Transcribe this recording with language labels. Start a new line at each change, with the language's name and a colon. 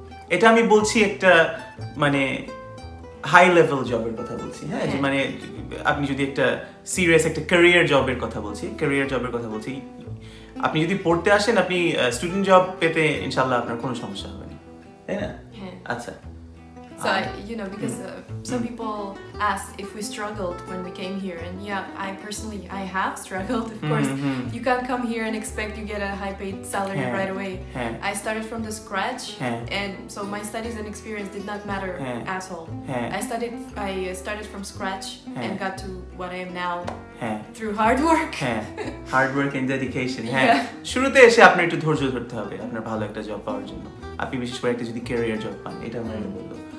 Bangla: এটা আমি বলছি একটা মানে হাই লেভেল জবের কথা বলছি হ্যাঁ যে মানে আপনি যদি একটা সিরিয়াস একটা ক্যারিয়ার জবের কথা বলছি আপনি যদি পড়তে আসেন আপনি স্টুডেন্ট জব পেতে ইনশাল্লাহ আপনার কোনো সমস্যা হবে না তাই না আচ্ছা
English: So, you know, because some people ask if we struggled when we came here. And yeah, I personally, I have struggled, of course. Mm-hmm. You can't come here and expect you get a high paid salary right away. Yeah. I started from the scratch. Yeah. And so my studies and experience did not matter at all. Yeah. I started from scratch and got to what I am now through hard work. Hard work and dedication.
Bangla: শুরুতে এসে আপনি একটু ধৈর্য ধরতে হবে আপনার ভালো একটা জব পাওয়ার জন্য। আপনি বিশেষ করে একটা যদি ক্যারিয়ার জব পান এটা আমি বলবো।